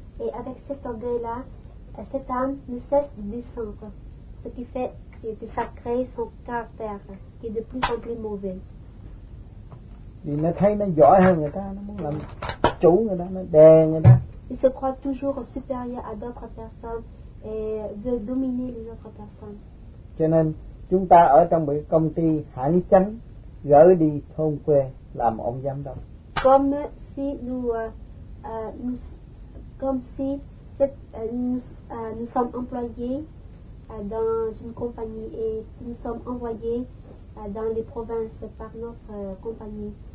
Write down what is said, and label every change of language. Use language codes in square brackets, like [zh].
[fr] Et avec cet orgueil-là, cette âme ne cesse de descendre, ce qui fait que ça crée son caractère qui est de plus en plus mauvais. [vi] Vì nó thấy nó giỏi hơn người ta, nó muốn làm chủ người ta, nó đè người ta. [fr] Il se croit toujours supérieur à d'autres personnes et veut dominer les autres personnes. [vi] Cho nên chúng ta ở trong một công ty hãng chánh, gỡ đi thôn quê làm ông giám đốc. [fr] Comme si nous sommes employés dans une compagnie et nous sommes envoyés dans les provinces par notre compagnie.